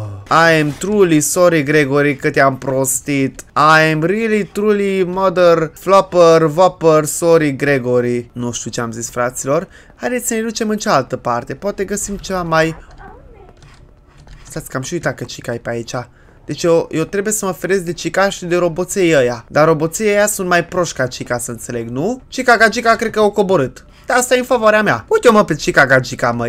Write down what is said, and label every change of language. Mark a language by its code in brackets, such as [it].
[en] I am truly sorry, Gregory, [ro] că te-am prostit. [en] I am really, truly, mother, flopper, whopper, sorry, Gregory. [ro] Nu știu ce am zis, fraților. Haideți să ne ducem în cealaltă parte. Poate găsim ceva mai... Stați, că am și uitat că Chica e pe aici. Deci eu trebuie să mă feresc de Chica și de roboței ăia. Dar roboții ăia sunt mai proști ca Chica, să înțeleg, nu? Chica Gagica cred că o coborât. Dar asta e în favoarea mea. Uite-o mă pe Chica Gagica, mă.